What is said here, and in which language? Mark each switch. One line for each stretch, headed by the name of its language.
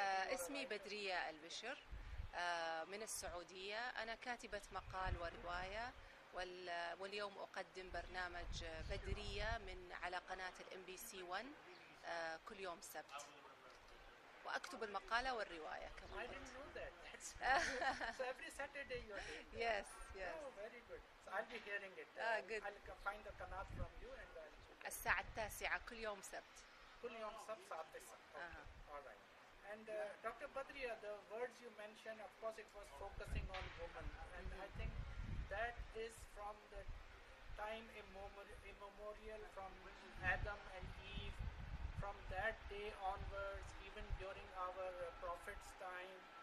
Arabic: اسمي بدرية البشر من السعودية. أنا كاتبة مقال ورواية واليوم أقدم برنامج بدرية من على قناة الام بي سي 1 كل يوم سبت، وأكتب المقالة والرواية كمان.
English: I didn't know that. So every Saturday you are doing. Yes, yes. Oh, very good. So I'll be hearing it. Good. I'll find the canal from you and I'll check it.
Arabic: الساعة التاسعة كل يوم سبت. كل يوم سبت الساعة التاسعة.
English: All right. And Dr. Badriya, the words you mentioned, of course, it was focusing on women. And I think that is from the time immemorial, from Adam and Eve, from that day onwards, even during our Prophet's time.